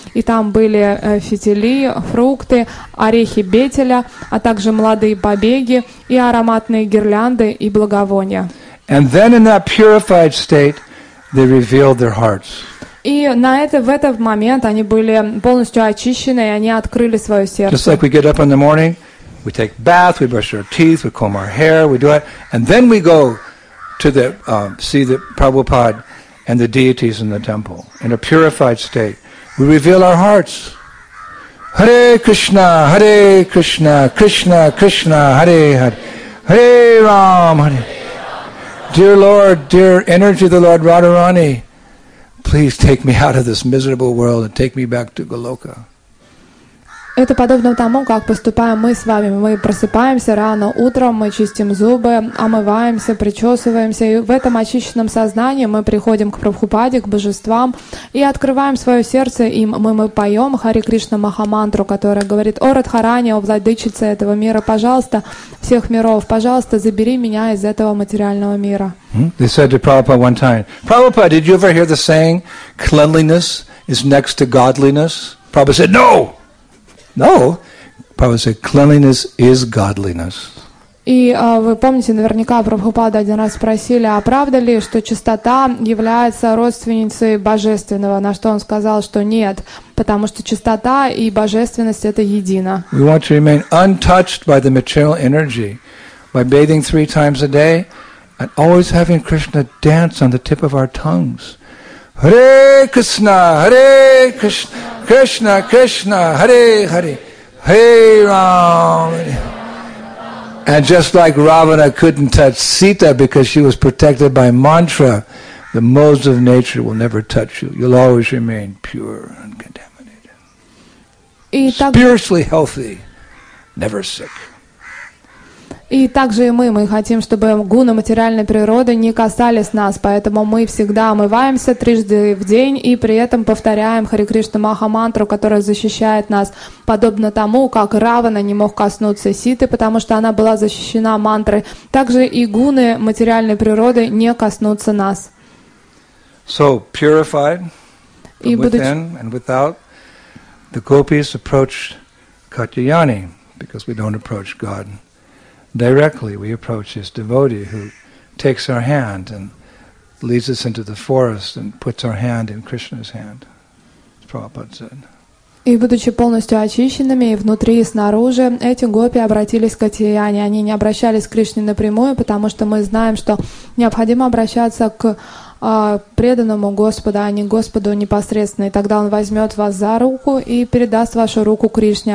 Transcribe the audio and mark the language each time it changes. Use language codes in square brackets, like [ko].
[ru] И там были фитили, фрукты, орехи бетеля, а также молодые побеги и ароматные гирлянды и благовония. [en] And then in that purified state, they revealed their hearts. [ru] И в этот момент они были полностью очищены, и они открыли свое сердце. [en] Just like we get up in the morning, We take bath, we brush our teeth, we comb our hair, we do it, and then we go to the see the Prabhupada and the deities in the temple in a purified state. We reveal our hearts. Hare Krishna, Hare Krishna, Krishna Krishna, Hare Hare, Hare Ram, Hare. Dear Lord, dear energy of the Lord Radharani, please take me out of this miserable world and take me back to Goloka. [ru] Это подобно тому, как поступаем мы с вами. Мы просыпаемся рано утром, мы чистим зубы, омываемся, причесываемся. И в этом очищенном сознании мы приходим к Прабхупаде, к божествам, и открываем свое сердце им. Мы поем Хари Кришна Махамантру, которая говорит: «О Радхарани, о владычице этого мира, пожалуйста, всех миров, пожалуйста, забери меня из этого материального мира». [en] They said to Prabhupada one time, Prabhupada, did you ever hear the saying, cleanliness is next to godliness? Prabhupada said, no! No, Prabhupada said, cleanliness is godliness. [ru] И вы помните, наверняка Прабхупада один раз спросили, а правда ли, что чистота является родственницей божественного? На что он сказал, что нет, потому что чистота и божественность это едино. [en] We want to remain untouched by the material energy by bathing three times a day and always having Krishna dance on the tip of our tongues. Hare Krishna, Hare Krishna. Krishna, Krishna, Hare Hare, Hare Ram. And just like Ravana couldn't touch Sita because she was protected by mantra, the modes of nature will never touch you. You'll always remain pure and contaminated. Spiritually healthy, never sick. [ru] И также и мы хотим, чтобы гуны материальной природы не касались нас, поэтому мы всегда омываемся трижды в день и при этом повторяем Хари Кришна Маха-мантру, которая защищает нас, подобно тому, как Равана не мог коснуться Ситы, потому что она была защищена мантрой. Также и гуны материальной природы не коснутся нас. [en] So purified within and without, the gopis approach Katyayani, because we don't approach God. Directly, we approach his devotee who takes our hand and leads us into the forest and puts our hand in Krishna's hand, Prabhupada said. [ru] И будучи полностью очищенными и внутри, и снаружи, эти гопи обратились к Катьяне. Они не обращались к Кришне напрямую, потому что мы знаем, что необходимо обращаться к преданному Господу, а не Господу непосредственно. И тогда Он возьмет вас за руку и передаст вашу руку Кришне.